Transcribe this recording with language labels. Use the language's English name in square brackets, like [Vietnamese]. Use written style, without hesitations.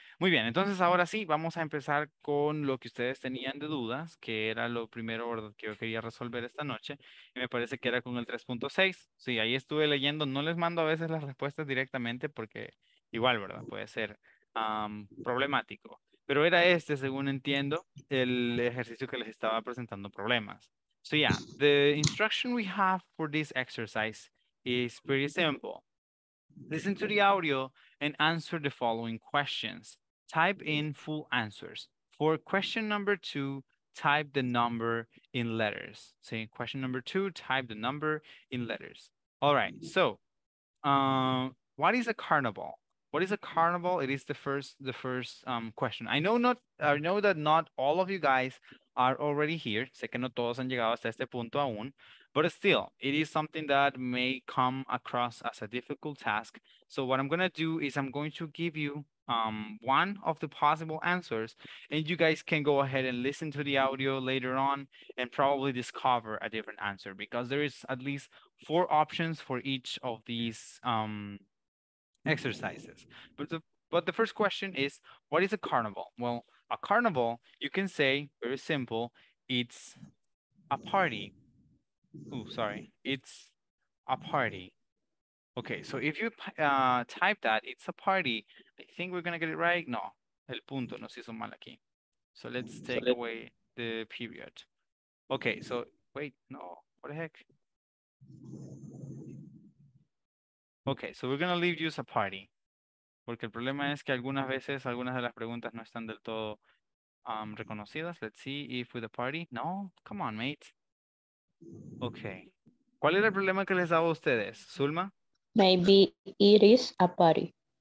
[Spanish] Muy bien, entonces ahora sí, vamos a empezar con lo que ustedes tenían de dudas, que era lo primero que yo quería resolver esta noche, y me parece que era con el 3.6. Sí, ahí estuve leyendo, no les mando a veces las respuestas directamente porque igual, ¿verdad? Puede ser problemático. Pero era este, según entiendo, el ejercicio que les estaba presentando problemas. [English] So yeah, the instruction we have for this exercise is pretty simple. Listen to the audio and answer the following questions. Type in full answers. For question number two, type the number in letters. Say question number two, type the number in letters. All right, so what is a carnival? What is a carnival? It is the first question. I know that not all of you guys are already here. [Spanish] Sé que no todos han llegado hasta este punto aún. [English] But still, it is something that may come across as a difficult task. So what I'm going to do is I'm going to give you one of the possible answers. And you guys can go ahead and listen to the audio later on and probably discover a different answer. Because there is at least four options for each of these exercises. But the first question is, what is a carnival? Well, a carnival, you can say, very simple, it's a party. It's a party. Okay, so if you type that, it's a party. I think we're going to get it right. [Spanish] No, el punto no se hizo mal aquí. [English] So let's take away the period. Okay, so wait, no, what the heck? Okay, so we're going to leave you as a party. [Spanish] Porque el problema es que algunas veces, algunas de las preguntas no están del todo reconocidas. [English] Let's see if with a party. No, come on, mate. Okay. [Spanish] ¿Cuál era el problema que les daba a ustedes, Zulma? [English] Maybe it is a party.